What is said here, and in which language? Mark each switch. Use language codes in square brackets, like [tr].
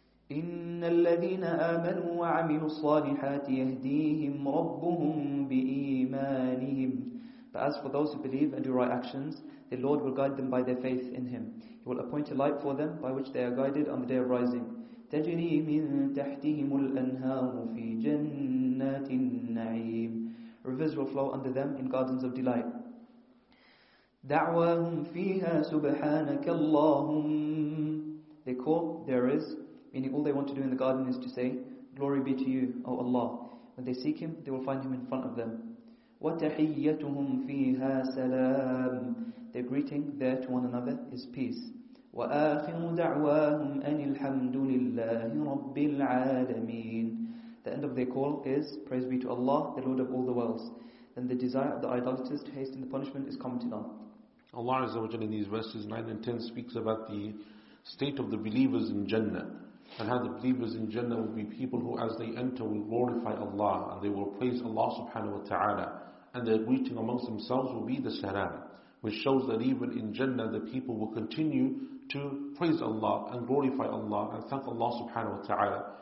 [ar] إِنَّ الَّذِينَ آمَنُوا وَعَمِلُوا الصَّالِحَاتِ يَهْدِيهِمْ رَبُّهُمْ بِإِيمَانِهِمْ. [en] But as for those who believe and do right actions, their Lord will guide them by their faith in Him. He will appoint a light for them by which they are guided on the day of rising. [ar] تجري من تحتهم الأنهار في جنات النعيم. [en] Rivers will flow under them in gardens of delight. [ar] دعواهم فيها سبحانك اللهم. [en] They call, there is, meaning all they want to do in the garden is to say, Glory be to you, O Allah. When they seek Him, they will find Him in front of them. [ar] وتحيتهم فيها سلام. [en] Their greeting there to one another is peace. [ar] وآخر دعواهم أن الحمد لله رب العالمين. [en] The end of their call is, Praise be to Allah, the Lord of all the worlds. Then the desire of the idolaters to hasten the punishment is commented on. Allah Azza wa Jalla in these verses 9 and 10 speaks about the state of the believers in Jannah, and how the believers in Jannah will be people who, as they enter, will glorify Allah, and they will praise Allah subhanahu wa ta'ala, and their greeting amongst themselves will be the salam, which shows that even in Jannah the people will continue to praise Allah and glorify Allah and thank Allah subhanahu wa ta'ala.